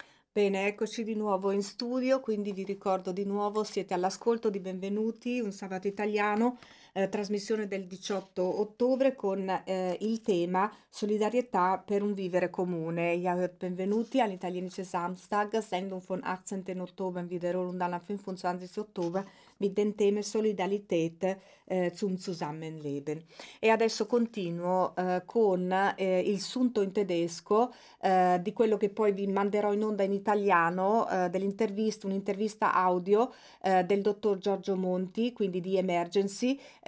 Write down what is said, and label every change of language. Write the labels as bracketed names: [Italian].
[Italian] Bene, eccoci di nuovo in studio, quindi vi ricordo di nuovo, siete all'ascolto di Benvenuti, un sabato italiano, trasmissione del 18 ottobre con il tema Solidarietà per un vivere comune. Benvenuti all' [German] italienische Samstag, Sendung von 18. Oktober, wiederholen und dann am 25. Oktober, mit dem Thema Solidarität zum Zusammenleben. [Italian] E adesso continuo con il sunto in tedesco di quello che poi vi manderò in onda in italiano, dell'intervista, un'intervista audio del dottor Giorgio Monti, quindi di Emergency,